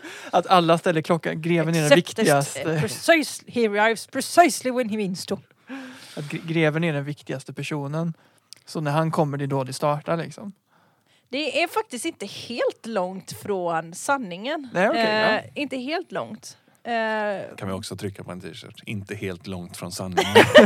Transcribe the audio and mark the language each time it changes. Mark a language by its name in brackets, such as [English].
[Swedish] Att alla ställer klockan, greven är den viktigaste. [English] Precisely, he arrives precisely when he means to. [Swedish] Att greven är den viktigaste personen. Så när han kommer, det är då det startar liksom. Det är faktiskt inte helt långt från sanningen. Nej, okay, ja. Inte helt långt. Kan vi också trycka på en t-shirt? Inte helt långt från sanningen.